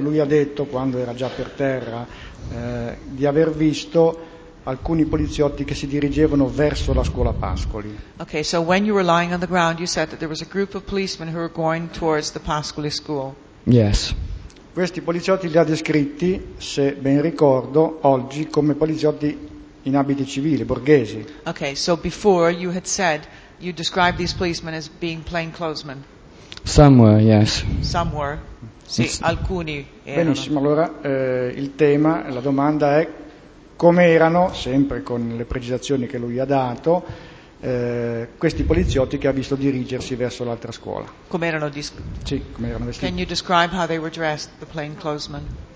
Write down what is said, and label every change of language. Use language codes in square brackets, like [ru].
[it] Lui ha detto, quando era già per terra, di aver visto alcuni poliziotti che si dirigevano verso la scuola Pascoli. [en] Okay, so when you were lying on the ground, you said that there was a group of policemen who were going towards the Pascoli school. Yes. [it] Questi poliziotti li ha descritti, se ben ricordo, oggi come poliziotti in abiti civili, borghesi. [en] Okay, so before you had said. You describe these policemen as being plain clothes men. Some were, yes. Some were. [it] Sì, alcuni erano. Benissimo, allora il tema, la domanda è come erano, sempre con le precisazioni che lui ha dato, questi poliziotti che ha visto dirigersi verso l'altra scuola. Come erano, sì, come erano vestiti? [en] Can you describe how they were dressed, the plainclothes men?